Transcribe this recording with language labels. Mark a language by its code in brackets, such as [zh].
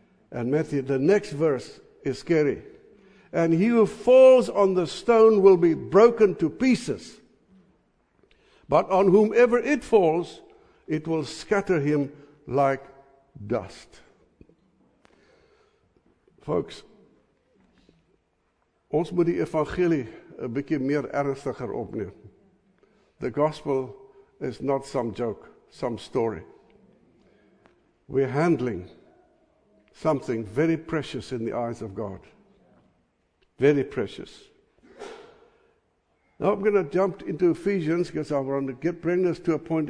[en] And Matthew, the next verse is scary. And he who falls on the stone will be broken to pieces. But on whomever it falls, it will scatter him like dust. [af] Folks, ons moet die evangelie 'n bietjie meer ernstiger opneem. [en] The gospel is not some joke, some story. We're handling something very precious in the eyes of God. Very precious. Now I'm going to jump into Ephesians because I want to bring us to a point.